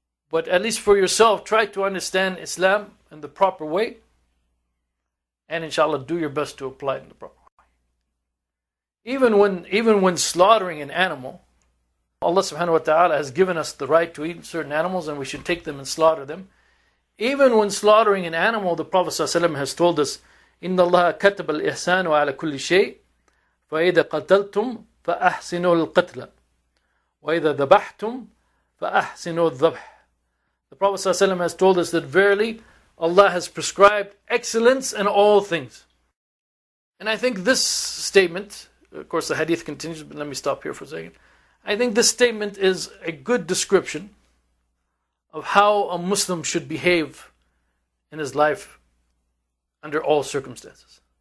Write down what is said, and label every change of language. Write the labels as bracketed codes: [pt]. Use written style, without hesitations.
[en] But at least for yourself, try to understand Islam in the proper way. And inshallah, do your best to apply it in the proper way. Even when slaughtering an animal, Allah subhanahu wa ta'ala has given us the right to eat certain animals and we should take them and slaughter them. Even when slaughtering an animal, the Prophet sallallahu alaihi wasallam has told us, [ar] إِنَّ اللَّهَ كَتَبَ الْإِحْسَانُ عَلَى كُلِّ شَيْءٍ فَإِذَا قَتَلْتُمْ فَأَحْسِنُوا الْقَتْلَ وَإِذَا ذَبَحْتُمْ فَأَحْسِنُوا الذَّبْحَ. [en] The Prophet sallallahu alaihi wasallam has told us that verily, Allah has prescribed excellence in all things. And I think this statement, of course the hadith continues, but let me stop here for a second. I think this statement is a good description of how a Muslim should behave in his life under all circumstances.